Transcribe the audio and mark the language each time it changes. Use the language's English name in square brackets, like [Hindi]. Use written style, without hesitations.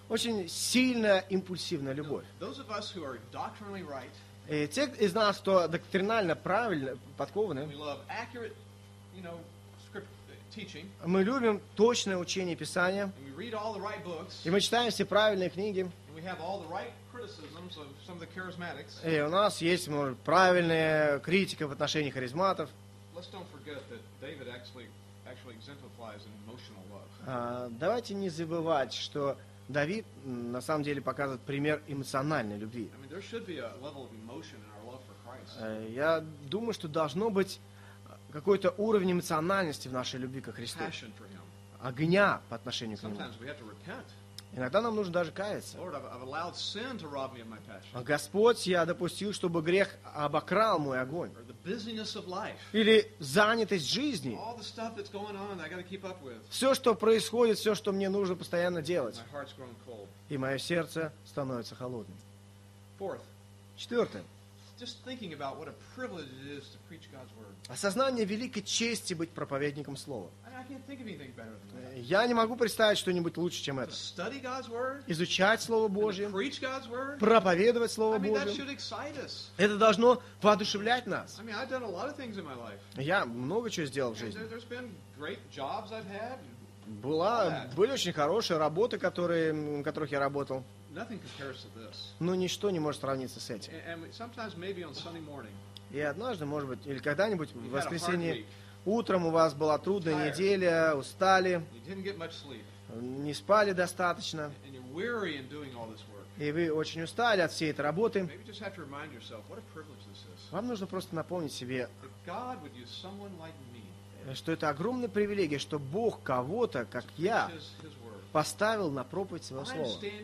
[Russian] Очень сильная, импульсивная любовь. [English] Those of us who are doctrinally right. [Russian] И те из нас, кто доктринально правильно подкованы, [English] we love accurate, you know, script, teaching. [Russian] Мы любим точное учение Писания. [English] And we read all the right books. [Russian] И мы читаем все правильные книги. [English] And we have all the right criticisms of some of the charismatics. [Russian] И у нас есть, может, правильная критика в отношении харизматов. [English] Let's don't forget that David actually exemplifies emotional love. [Russian] Давайте не забывать, что Давид на самом деле показывает пример эмоциональной любви. [English] I mean, there should be a level of emotion in our love for Christ. [Russian] Я думаю, что должно быть какой-то уровень эмоциональности в нашей любви ко Христу. [English] Passion for him. [Russian] Огня по отношению к нему. [English] Sometimes we have to repent. [Russian] Иногда нам нужно даже каяться. [English] Lord, I've allowed sin to rob me of my passion. [Russian] Господь, я допустил, чтобы грех обокрал мой огонь. [English] Or the busyness of life. [Russian] Или занятость жизни. [English] All the stuff that's going on, I got to keep up with. [Russian] Все, что происходит, все, что мне нужно постоянно делать. [English] My heart's grown cold. [Russian] И мое сердце становится холодным. [English] Fourth. [Russian] Четвертое. [English] Just thinking about what a privilege it is to preach God's word. [Russian] Осознание великой чести быть проповедником слова. [English] I can't think of anything better than that. [Russian] Я не могу представить что-нибудь лучше, чем это. [English] To study God's word. [Russian] Изучать слово Божье. [English] And to preach God's word. [Russian] Проповедовать слово Божье. [English] I mean, that should excite us. [Russian] Это должно воодушевлять нас. [English] I mean, I've done a lot of things in my life. [Russian] Я много чего сделал в жизни. [English] And there's been great jobs I've had. [Russian] Были очень хорошие работы, на которых я работал. [English] Nothing compares to this. [Russian] Но ничто не может сравниться с этим. [English] And sometimes maybe on Sunday morning. [Russian] И однажды, может быть, или когда-нибудь в воскресенье утром у вас была трудная неделя, устали. [English] You didn't get much sleep. [Russian] Не спали достаточно. [English] And you're weary in doing all this work. [Russian] И вы очень устали от всей этой работы. [English] Maybe just have to remind yourself what a privilege this is. [Russian] Вам нужно просто напомнить себе, [English] if God would use someone like me, [Russian] что это огромная привилегия, что Бог кого-то, как я, поставил на проповедь своего слова.